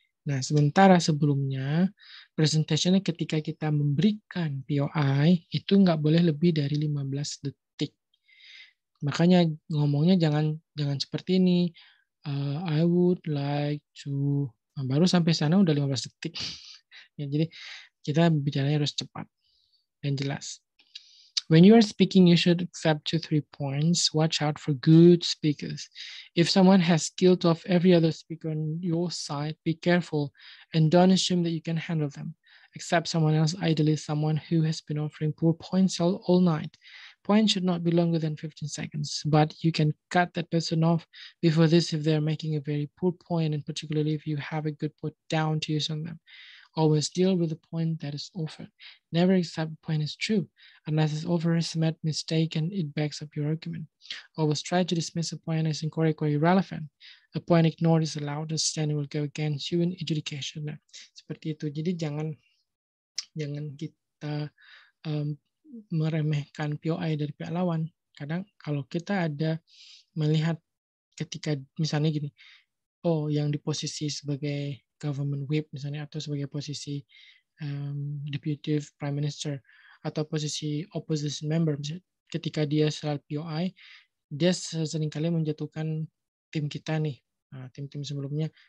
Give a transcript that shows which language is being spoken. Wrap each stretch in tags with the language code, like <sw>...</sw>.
<id>Nah, sementara sebelumnya, presentationnya ketika kita memberikan POI, itu nggak boleh lebih dari 15 detik. Makanya ngomongnya jangan seperti ini. I would like to, nah, baru sampai sana udah 15 detik. Ya, jadi kita bicaranya harus cepat dan jelas.</id> <en>When you are speaking, you should accept 2-3 points. Watch out for good speakers. If someone has killed off every other speaker on your side, be careful and don't assume that you can handle them. Accept someone else, ideally someone who has been offering poor points all night. Points should not be longer than 15 seconds, but you can cut that person off before this if they're making a very poor point, and particularly if you have a good put down to use on them. Always deal with the point that is offered. Never accept a point is true, unless it's offered as a mad mistake and it backs up your argument. Always try to dismiss a point as incorrect or irrelevant. A point ignored is allowed to stand and will go against you in adjudication.</en> <id>Nah, seperti itu. Jadi jangan kita meremehkan POI dari pihak lawan. Kadang kalau kita ada melihat ketika misalnya gini, oh yang di posisi sebagai government whip misalnya atau sebagai posisi deputy prime minister atau posisi opposition member, misalnya, ketika dia selalu POI, dia seringkali menjatuhkan tim kita nih, tim-tim sebelumnya.</id>